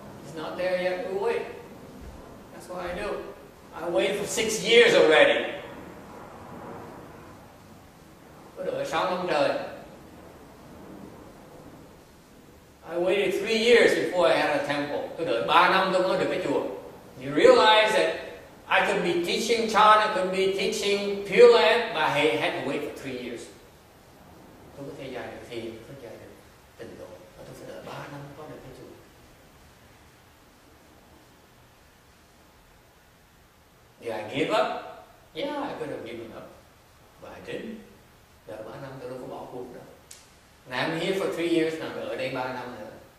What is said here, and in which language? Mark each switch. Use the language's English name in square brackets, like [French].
[English] It's not there yet, we wait. That's what I do. I wait for 6 years already. [Vietnamese] Có đợi 6 năm trời. [English] I waited 3 years before I had a temple. [Vietnamese] Tôi đợi 3 năm tôi mới được cái chùa. [English] You realize that I could be teaching Chana, I could be teaching Pure Land, but I had to wait for 3 years. [Vietnamese] Tôi có thể dạy được thiền, tôi có thể dạy được tịnh độ, và tôi phải đợi 3 năm có được cái chùa. [English] Did I give up? Yeah, I could have given up. But I didn't. [Vietnamese] Đợi 3 năm tôi đâu có bỏ cuộc đâu. [English] Now I'm here for 3 years now, [Vietnamese] ở đây 3 năm nữa.